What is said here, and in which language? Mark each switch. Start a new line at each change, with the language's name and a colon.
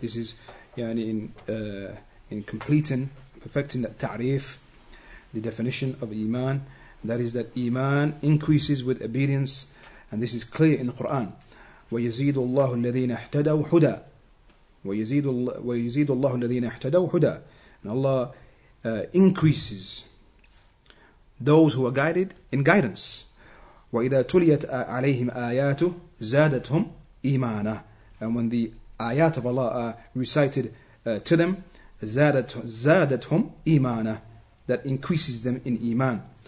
English: This is
Arabic: يعني
English: in completing, perfecting that
Arabic: تعريف,
English: the definition of iman. That is that iman increases with obedience, and this is clear in the Quran.
Arabic: ويزيد الله الذين اهتدوا هدى ويزيد الله الذين اهتدوا هدى.
English: And Allah increases those who are guided in guidance.
Arabic: وَإِذَا تُلِيَتْ عَلَيْهِمْ آيَاتُهُ زَادَتْهُمْ إِيمَانًا.
English: And when the ayat of Allah are recited to them,
Arabic: زَادَتْهُمْ إِيمَانًا,
English: that increases them in iman.